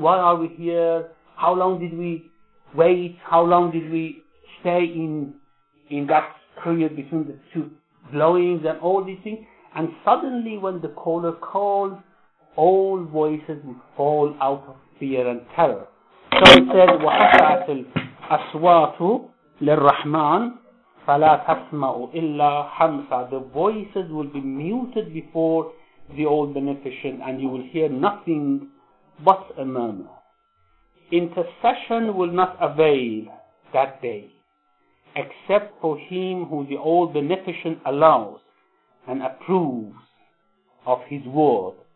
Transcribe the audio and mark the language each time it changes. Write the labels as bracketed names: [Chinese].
[English] Why are we here? How long did we wait? How long did we stay in that period between the two blowings and all these things? And suddenly when the caller calls, all voices would fall out of fear and terror. So it says, [Arabic] وَحَشَعَتِ الْأَصْوَاتُ لِلرَّحْمَنِ فَلَا تَسْمَعُ إِلَّا حَمْسًا. [English] The voices will be muted before the All Beneficent, and you will hear nothing but a murmur. Intercession will not avail that day, except for him who the All Beneficent allows and approves of his word.